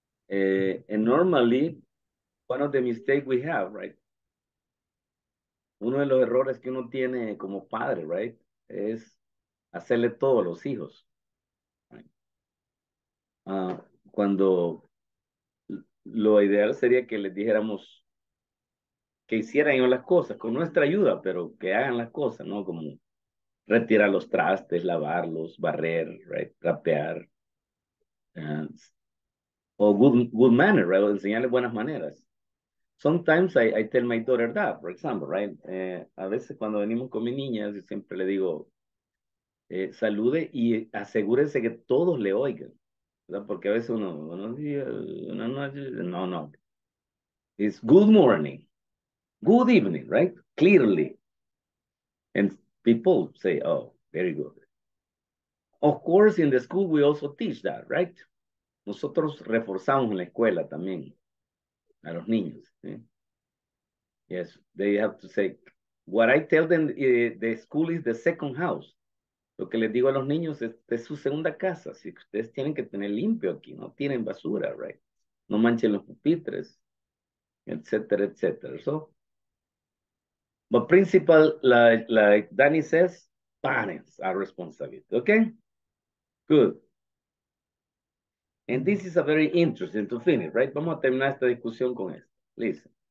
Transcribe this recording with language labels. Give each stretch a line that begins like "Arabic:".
English: And normally, one of the mistakes we have, right?
Spanish: Uno de los errores que uno tiene como padre, right? Es hacerle todo a los hijos. Right? Cuando lo ideal sería que les dijéramos que hicieran ellos las cosas con nuestra ayuda, pero que hagan las cosas, ¿no? Como retirar los trastes, lavarlos, barrer, right? Trapear. O
English: good manner,
Spanish: right? Enseñarles buenas maneras.
English: Sometimes I tell my daughter that, for example, right?
Spanish: A veces cuando venimos con mis niñas, yo siempre le digo, salude y asegúrese que todos le oigan, ¿verdad? Porque a veces uno, buenos días, una noche, no, no.
English: It's good morning. Good evening, right? Clearly. And people say, oh, very good. Of course, in the school, we also teach that, right?
Spanish: Nosotros reforzamos en la escuela también a los niños. ¿Sí?
English: Yes, they have to say, what I tell them, the school is the second house.
Spanish: Lo que les digo a los niños es su segunda casa. Si ustedes tienen que tener limpio aquí, no tienen basura, right? No manchen los pupitres, etcétera, etcétera.
English: So, but principal, like Danny says, parents are responsible. Okay? Good. And this is a very interesting to finish, right?
Spanish: Vamos a terminar esta discusión con esto. Listen.